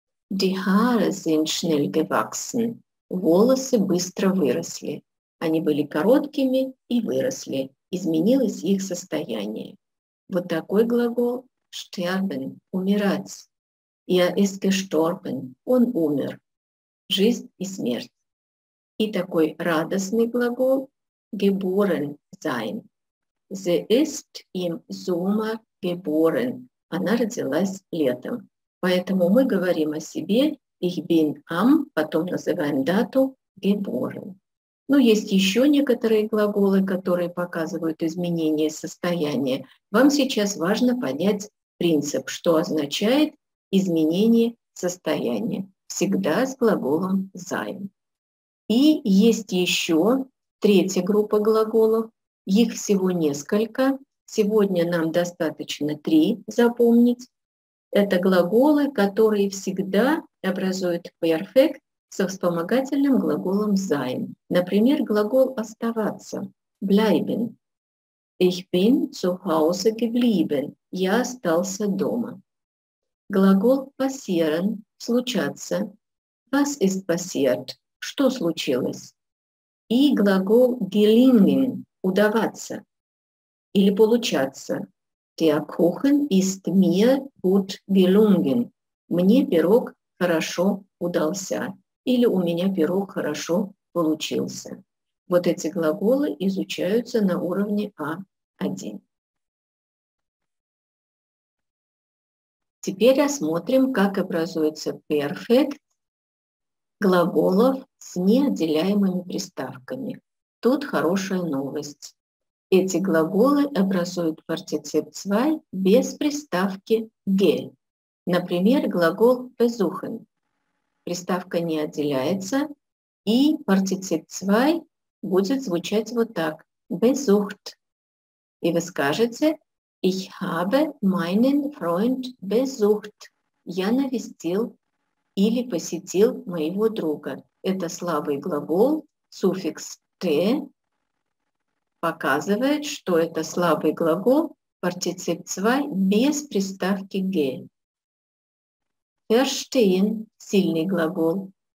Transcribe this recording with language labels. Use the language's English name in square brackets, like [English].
[German] Die Haare sind schnell gewachsen. [Russian] Волосы быстро выросли. Они были короткими и выросли. Изменилось их состояние. Вот такой глагол sterben – умирать. [German] Er ist gestorben – [Russian] он умер. Жизнь и смерть. И такой радостный глагол [German] geboren sein. Sie ist im Sommer geboren. [Russian] Она родилась летом. Поэтому мы говорим о себе [German] ich bin am, [Russian] потом называем дату [German] geboren. [Russian] Но есть еще некоторые глаголы, которые показывают изменение состояния. Вам сейчас важно понять принцип, что означает изменение состояния. Всегда с глаголом sein. И есть еще третья группа глаголов, их всего несколько. Сегодня нам достаточно три запомнить. Это глаголы, которые всегда образуют перфект со вспомогательным глаголом sein. Например, глагол оставаться. [German] Bleiben. Ich bin zu Hause geblieben. [Russian] Я остался дома. Глагол passieren. Случаться. [German] Was ist passiert? [Russian] Что случилось? И глагол gelingen – удаваться или получаться. [German] Der Kuchen ist mir gut gelungen. [Russian] Мне пирог хорошо удался. Или у меня пирог хорошо получился. Вот эти глаголы изучаются на уровне А1. Теперь осмотрим, как образуется перфект глаголов с неотделяемыми приставками. Тут хорошая новость. Эти глаголы образуют партицип 2 без приставки «ге». Например, глагол «besuchen». Приставка не отделяется, и партицип 2 будет звучать вот так «besucht». И вы скажете [German] Ich habe meinen Freund besucht. [Russian] Я навестил или посетил моего друга. Это слабый глагол. Суффикс «te» показывает, что это слабый глагол. Партицип 2 без приставки «ge». Verstehen – сильный глагол.